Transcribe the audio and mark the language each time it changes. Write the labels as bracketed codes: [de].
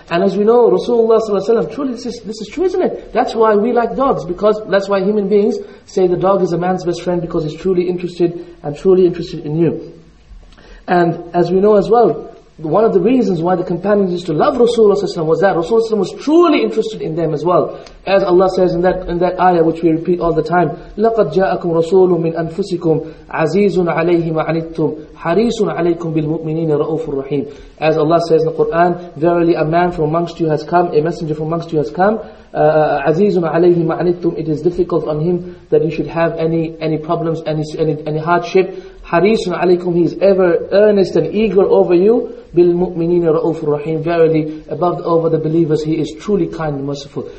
[en] And as we know, Rasulullah ﷺ, truly this is true, isn't it? That's why we like dogs, because that's why human beings say the dog is a man's best friend, because it's truly interested and truly interested in you. And as we know as well, one of the reasons why the companions used to love Rasulullah ﷺ was that Rasulullah ﷺ was truly interested in them as well. As Allah says in that ayah which we repeat all the time, [ar] لَقَدْ جَاءَكُمْ رَسُولٌ مِّنْ أَنفُسِكُمْ عَزِيزٌ عَلَيْهِ مَعَنِتُّمْ حَرِيصٌ عَلَيْكُمْ بِالْمُؤْمِنِينَ رَؤُوفٌ رَحِيمٌ. [en] As Allah says in the Quran, verily a man from amongst you has come, a messenger from amongst you has come, [ar] عَزِيزٌ عَلَيْهِ مَعَنِتُّمْ, [en] it is difficult on him that he should have any problems, any hardship. [ar] حَرِيصٌ عَلَيْكُمْ, [en] he is ever earnest and eager over you. [ar] بِالْمُؤْمِنِينَ رَؤُوفٌ رَحِيمٌ, [en] verily over the believers he is truly kind and merciful.